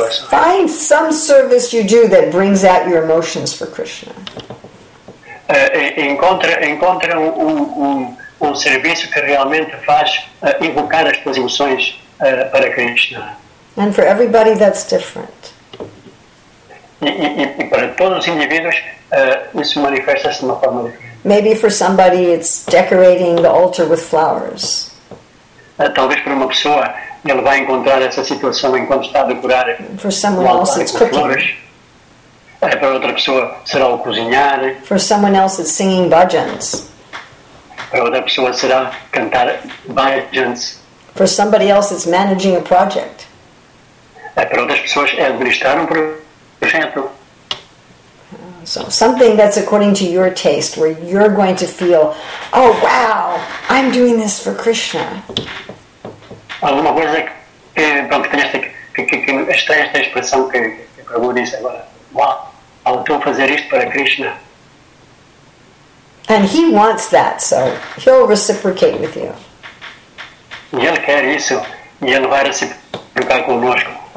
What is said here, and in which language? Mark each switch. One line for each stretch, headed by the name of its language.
English: Find some service you do that brings out your emotions for Krishna.
Portuguese: Encontra um serviço que realmente faz invocar as tuas emoções para Krishna.
English: And for everybody that's different.
Portuguese: E para todos os indivíduos isso manifesta-se de uma forma diferente.
English: Maybe for somebody it's decorating the altar with flowers.
Portuguese: Talvez para uma pessoa ele vai encontrar essa situação enquanto está a decorar um altar com flores. Para outra pessoa será o cozinhar.
English: For someone else it's singing bhajans.
Portuguese: Para outra pessoa será cantar bhajans.
English: For somebody else it's managing a project.
Portuguese: Para outras pessoas é administrar um projeto. centro.
English: So something that's according to your taste, where you're going to feel, oh wow, I'm doing this for Krishna.
Portuguese: Alguma coisa que está esta expressão que Prabhu disse agora. Wow, eu estou a fazer isto para Krishna.
English: And he wants that, so he'll reciprocate with you.
Portuguese: Ele quer isso, e ele vai reciprocar conosco.